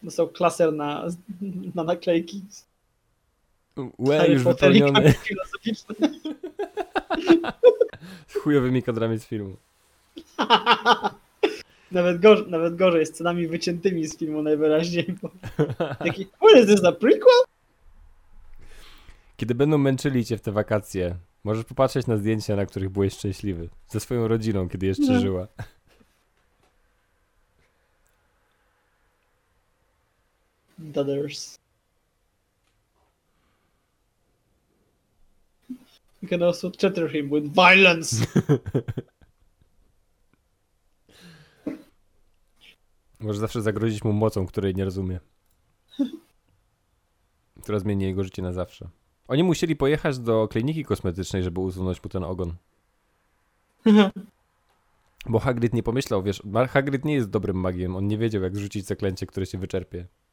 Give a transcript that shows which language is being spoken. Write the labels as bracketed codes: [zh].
[pl] Dostał klaser na naklejki. Łe, już wypełniony. Z chujowymi kadrami z filmu. Nawet gorzej, z scenami wyciętymi z filmu najwyraźniej. Taki, [en] what is this, a prequel? [pl] Kiedy będą męczyli cię w te wakacje, możesz popatrzeć na zdjęcia, na których byłeś szczęśliwy. Ze swoją rodziną, kiedy jeszcze żyła. [en] Dodders. You can also chatter him with violence. [pl] Może zawsze zagrozić mu mocą, której nie rozumie. Która zmieni jego życie na zawsze. Oni musieli pojechać do kliniki kosmetycznej, żeby usunąć mu ten ogon. Bo Hagrid nie pomyślał, wiesz, Hagrid nie jest dobrym magiem. On nie wiedział, jak rzucić zaklęcie, które się wyczerpie.